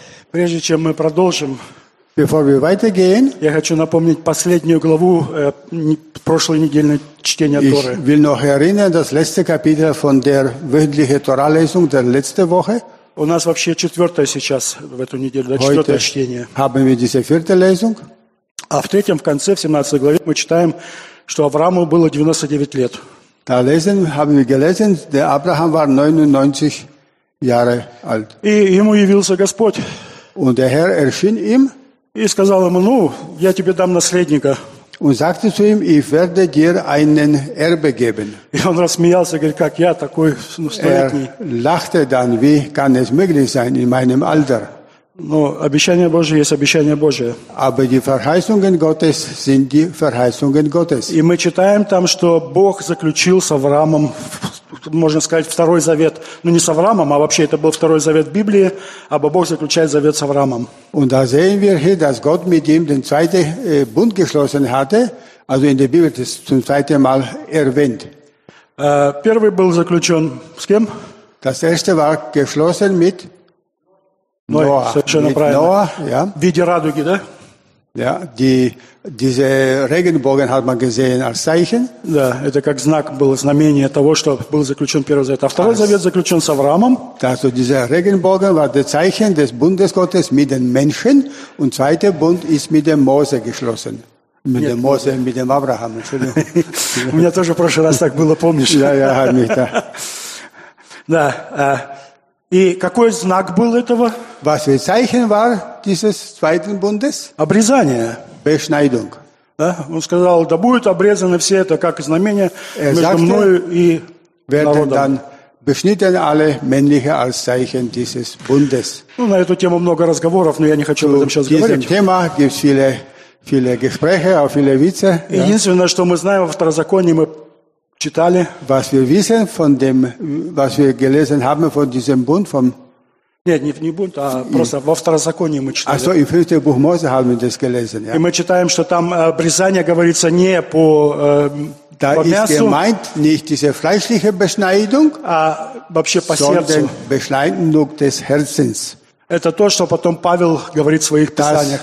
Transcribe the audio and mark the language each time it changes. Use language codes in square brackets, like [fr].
[ru] Прежде чем мы продолжим, [en] Before we [de] weitergehen, [ru] я хочу напомнить последнюю главу прошлой недельной чтения Торы. [de] Ich will noch erinnern, das letzte Kapitel von der wöchentlichen Torah-Lesung der letzte Woche. [ru] У нас вообще четвертое сейчас в эту неделю, да, четвертое чтение. [de] Heute haben wir diese vierte Lesung. [ru] А в третьем, в конце, в 17 главе, мы читаем, что Аврааму было 99 лет. [de] Da lesen, haben wir gelesen, der Abraham war 99 Jahre alt. [ru] И ему явился Господь. [de] Und der Herr erschien ihm [ru] и сказал ему, я тебе дам наследника. [de] Und sagte zu ihm, ich werde dir einen Erbe geben. [ru] И он рассмеялся, говорит, как я такой столетний. [de] Er lachte dann, wie kann es möglich sein in meinem Alter? [ru] Но обещание Божие есть обещание Божие. [de] Aber die Verheißungen Gottes sind die Verheißungen Gottes. [ru] И мы читаем там, что Бог заключил с Авраамом можно сказать, второй завет, ну не с Авраамом, а вообще это был второй завет Библии, або Бог заключает завет с Авраамом. [de] Und da sehen wir hier, dass Gott mit ihm den zweiten Bund geschlossen hatte, also in der Bibel das zum zweiten Mal erwähnt. [ru] Первый был заключен с кем? [de] Das erste war geschlossen mit [ru] Noah. Совершенно правильно. Yeah. В виде радуги, да? [de] Ja, diese Regenbogen hat man gesehen als Zeichen. [ru] Да, это как знак был, знамение того, что был заключен первый завет. А второй завет заключен с Авраамом. [de] Also dieser Regenbogen war das Zeichen des Bundes Gottes mit den Menschen und zweiter Bund ist mit dem Mose geschlossen. Mit dem Mose, mit dem Abraham. [ru] У меня тоже в прошлый раз так было, помнишь? Да. Да. И какой знак был этого? [de] Was für Zeichen war dieses zweiten Bundes? [ru] Обрезание. [de] Beschneidung. [ru] Да? Он сказал, да будут обрезаны все это, как знамение между мною и народом. [de] Werden dann beschnitten alle männliche als Zeichen dieses Bundes. [ru] Ну, на эту тему много разговоров, но я не хочу об этом сейчас говорить. [de] Zu dieser Thema gibt's viele Gespräche, auch viele Witze. [ru] Единственное, что мы знаем во Второзаконии, мы читали, [de] was wir wissen von dem, was wir gelesen haben von diesem Bund vom. [ru] Нет, не Бунт, а просто во Второзаконии мы читали. А что, [de] в Фюрте Бухмозе haben wir das gelesen, ja? [ru] И мы читаем, что там обрезание говорится не по, [de] da [ru] по мясу. [de] Da ist gemeint nicht diese fleischliche Beschneidung, [ru] а вообще по [de] sondern [ru] сердцу. [de] Beschneidung des Herzens. [ru] Это то, что потом Павел говорит в своих писаниях